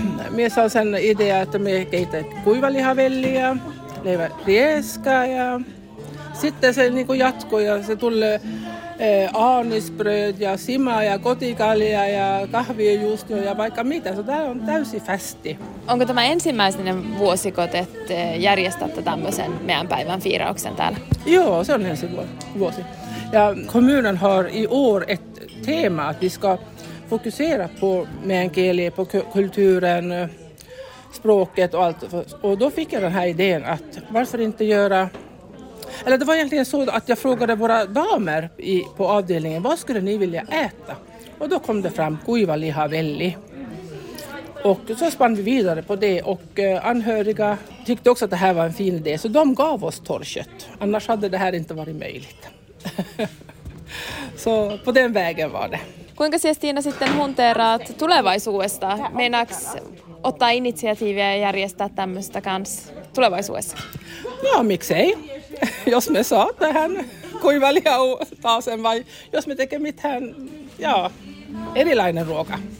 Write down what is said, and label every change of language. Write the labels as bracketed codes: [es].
[fit] Minä saan sen idea, että minä kehitän kuivalihavelliä, leivä rieskää ja sitten se niin kuin jatkuu ja se tulee aanisbröd ja simaa ja kotikalia ja kahvijuustoa ja vaikka mitä. Se tämä on täysi fästi. Onko tämä ensimmäinen vuosikot, että järjestätte tämmöisen meidän päivän fiirauksen täällä? Joo, se on ensi vuosi. [sv] Ja kommunen har i år ett tema, att vi ska fokusera på meidän kieli, på kulturen, språket och allt. Och då fick jag den här idén att varför inte göra... Eller det var egentligen så att jag frågade våra damer på avdelningen, vad skulle ni vilja äta? Och då kom det fram kuivalihavelli. Och så spann vi vidare på det och anhöriga tyckte också att det här var en fin idé. Så de gav oss torrkött. Annars hade det här inte varit möjligt. Så på den vägen var det. [fit] Kuinka siellä Stina sitten hunteeraat tulevaisuudesta? Meinaaks ottaa initiatiivia ja järjestää tämmöistä kans tulevaisuudessa? No miksei, jos me saa tähän kuivalia taas vai jos me tekee mitään, joo, erilainen ruoka.